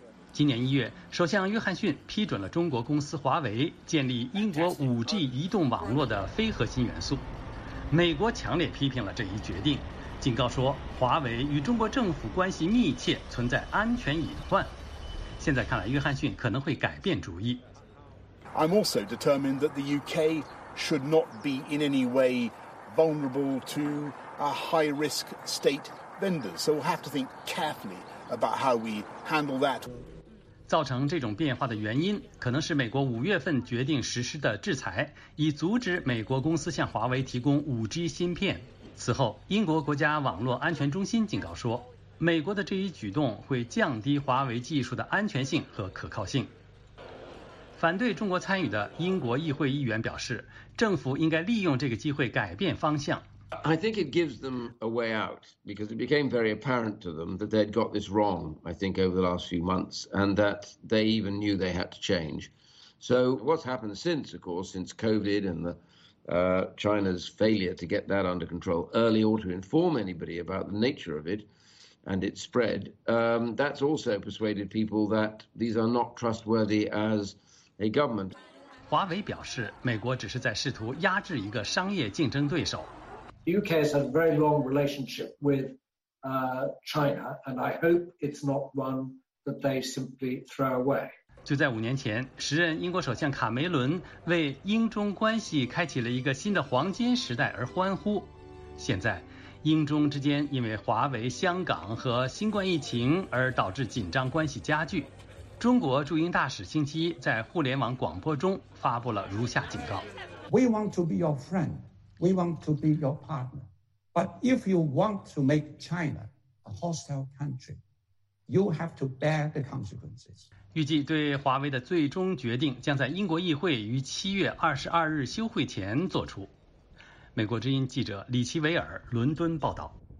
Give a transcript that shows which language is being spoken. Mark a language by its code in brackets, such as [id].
[zh] 今年一月，首相约翰逊批准了中国公司华为建立英国 5G 移动网络的非核心元素。美国强烈批评了这一决定，警告说华为与中国政府关系密切，存在安全隐患。现在看来，约翰逊可能会改变主意。 [en] I'm also determined that the UK should not be in any way vulnerable to a high-risk state vendors. So we'll have to think carefully about how we handle that. [zh] 造成这种变化的原因可能是美国五月份决定实施的制裁，以阻止美国公司向华为提供 5G 芯片。此后，英国国家网络安全中心警告说，美国的这一举动会降低华为技术的安全性和可靠性。反对中国参与的英国议会议员表示，政府应该利用这个机会改变方向。 [en] I think it gives them a way out because it became very apparent to them that they'd got this wrong, I think, over the last few months, and that they even knew they had to change. So what's happened since, of course, since COVID and China's failure to get that under control early or to inform anybody about the nature of it and its spread, that's also persuaded people that these are not trustworthy as a government. [zh] 华为表示，美国只是在试图压制一个商业竞争对手。 [en] The UK has had a very long relationship with China, and I hope it's not one that they simply throw away. [zh] 就在五年前，时任英国首相卡梅伦为英中关系开启了一个新的黄金时代而欢呼。现在，英中之间因为华为、香港和新冠疫情而导致紧张关系加剧。中国驻英大使星期一在互联网广播中发布了如下警告 [en] We want to be your friend. We want to be your partner. But if you want to make China a hostile country, you have to bear the consequences. [zh] 预计对华为的最终决定将在英国议会于7月22日休会前作出。美国之音记者李奇维尔伦敦报道。